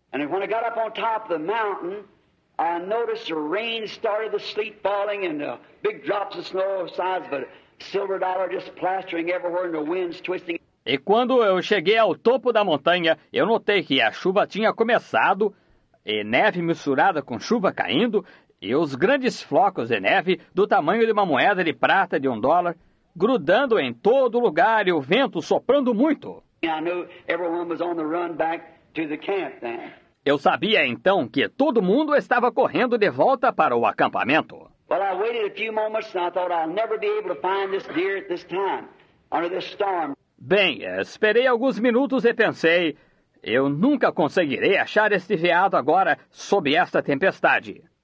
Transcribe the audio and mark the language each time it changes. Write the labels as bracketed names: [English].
[English] And when I got up on top of the mountain, I noticed the rain started to sleet falling and big drops of snow of size of a silver dollar just plastering everywhere and the winds twisting. [Portuguese] E quando eu cheguei ao topo da montanha, eu notei que a chuva tinha começado, e neve misturada com chuva caindo, e os grandes flocos de neve do tamanho de uma moeda de prata de um dólar, grudando em todo lugar e o vento soprando muito. [English] I knew everyone was on the run back to the camp then. [Portuguese] Eu sabia então que todo mundo estava correndo de volta para o acampamento. [English] Well, I waited a few moments and I thought I'll never be able to find this deer at this time, under this storm. [Portuguese] Bem, esperei alguns minutos e pensei, eu nunca conseguirei achar este veado agora sob esta tempestade.